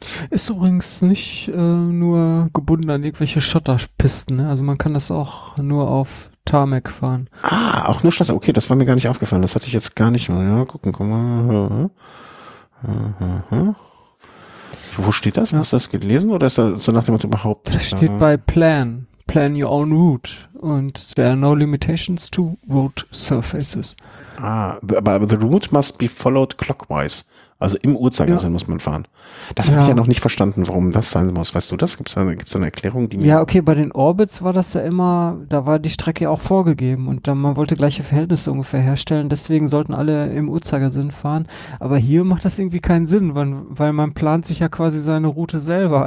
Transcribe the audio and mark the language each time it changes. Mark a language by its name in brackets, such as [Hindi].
[German] Ist übrigens nicht nur gebunden an irgendwelche Schotterpisten. Also man kann das auch nur auf Tarmac fahren. Ah, auch nur Schotter. Okay, das war mir gar nicht aufgefallen. Das hatte ich jetzt gar nicht. Ja, gucken, guck mal. Wo steht das? Ja. Hast du das gelesen? Oder ist das so nach dem Motto überhaupt? Das steht bei Plan. [English] Plan your own route. [German] Und [English] there are no limitations to road surfaces. [German] Ah, aber [English] the route must be followed clockwise. [German] Also im Uhrzeigersinn muss man fahren. Das habe ich ja noch nicht verstanden, warum das sein muss. Weißt du das? Gibt's eine Erklärung? Okay, bei den Orbits war das ja immer, da war die Strecke auch vorgegeben und dann, man wollte gleiche Verhältnisse ungefähr herstellen. Deswegen sollten alle im Uhrzeigersinn fahren. Aber hier macht das irgendwie keinen Sinn, weil man plant sich ja quasi seine Route selber.